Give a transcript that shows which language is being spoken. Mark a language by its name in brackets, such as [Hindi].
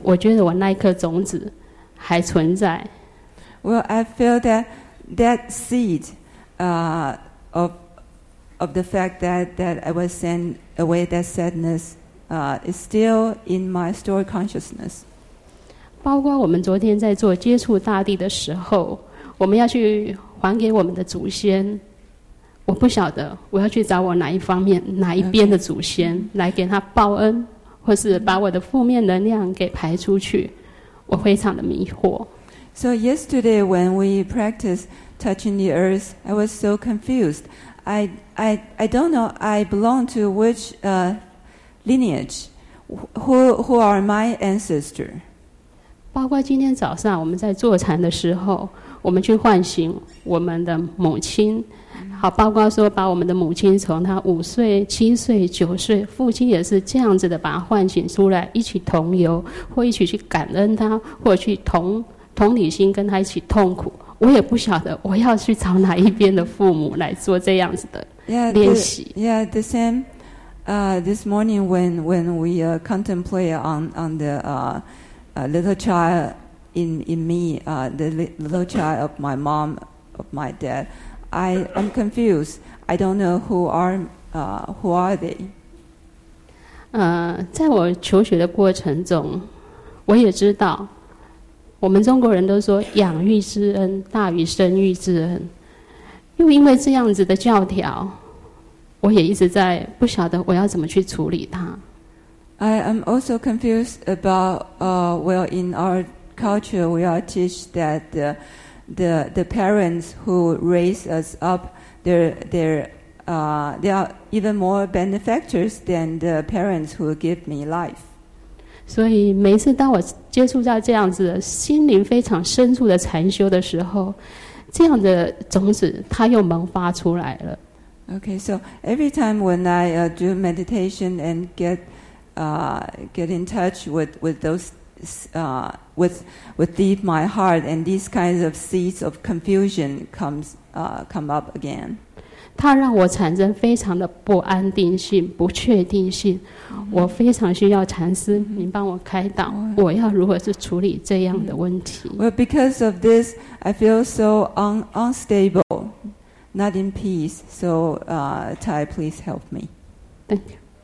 [Chinese] 我觉得我那一颗种子还存在。 [English] Well, I feel that seed, of the fact that I was sent away, that sadness. Is still in my story consciousness. [Chinese] 包括我们昨天在做接触大地的时候，我们要去还给我们的祖先。我不晓得我要去找我哪一方面、哪一边的祖先、okay. 来给他报恩，或是把我的负面能量给排出去。我非常的迷惑。 [English] So yesterday when we practiced touching the earth, I was so confused. I don't know I belong to which. Lineage, who are my ancestor? [Chinese] 包括今天早上我们在坐禅的时候，我们去唤醒我们的母亲，好，包括说把我们的母亲从她五岁、七岁、九岁，父亲也是这样子的把她唤醒出来，一起同游，或一起去感恩她，或去同理心跟她一起痛苦。我也不晓得我要去找哪一边的父母来做这样子的练习。 [English] Yeah, the same. This morning when we contemplate on the little child in me, the little child of my mom, of my dad. I am confused. I don't know who are they. [Chinese] 在我求学的过程中，我也知道，我们中国人都说养育之恩大于生育之恩。又因为这样子的教条，我也一直在不晓得我要怎么去处理它。 [English] I am also confused about well, in our culture, we are teach that. The parents who raise us up, they are even more benefactors than the parents who give me life. [Chinese] 所以每次当我接触到这样子的心灵非常深处的禅修的时候，这样的种子它又萌发出来了。 [English] Okay, so every time when I do meditation and get in touch with those. With deep my heart, and these kinds of seeds of confusion come up again. [Chinese] 它让我产生非常的不安定性、不确定性。我非常需要禅师，您帮我开导，我要如何去处理这样的问题 [English] ？Well, because of this, I feel so unstable, not in peace. So, Tai, please help me. Thank you.